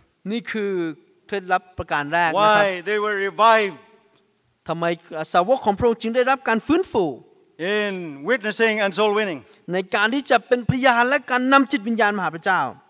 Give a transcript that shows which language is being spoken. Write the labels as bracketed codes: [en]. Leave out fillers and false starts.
[th] นี่คือเคล็ดลับประการแรกนะครับ [en] Why they were revived [th] ทำไมสาวกของพระองค์จึงได้รับการฟื้นฟู [en] In witnessing and soul winning [th] ในการที่จะเป็นพยานและการนำจิตวิญญาณมาหาพระเจ้า